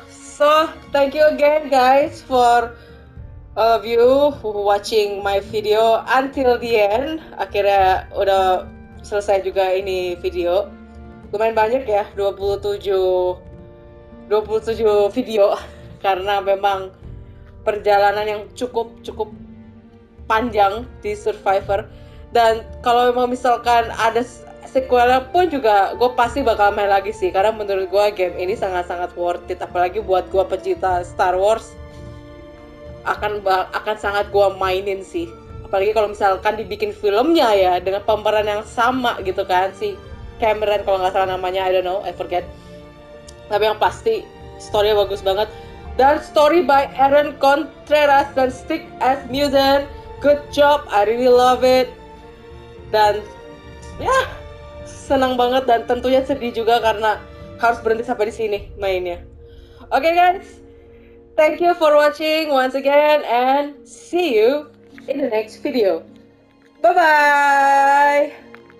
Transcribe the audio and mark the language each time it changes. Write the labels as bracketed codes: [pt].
[en] So, thank you again guys for all of you watching my video until the end. [id] Akhirnya udah selesai juga ini video. Lumayan banyak ya, 27 video, karena memang perjalanan yang cukup panjang di Survivor. Dan kalau memang misalkan ada sequelnya pun juga gue pasti bakal main lagi sih, karena menurut gue game ini sangat-sangat worth it, apalagi buat gue pecinta Star Wars, akan sangat gue mainin sih. Apalagi kalau misalkan dibikin filmnya ya, dengan pemeran yang sama gitu kan, si Cameron kalau nggak salah namanya, [en] I don't know, I forget. [id] Tapi yang pasti story-nya bagus banget. Dan story by Aaron Contreras dan Stig S. [en] Musen, good job, I really love it. [id] Dan ya, yeah, senang banget dan tentunya sedih juga karena harus berhenti sampai di sini mainnya. [en] Okay guys, thank you for watching once again and see you in the next video. Bye bye.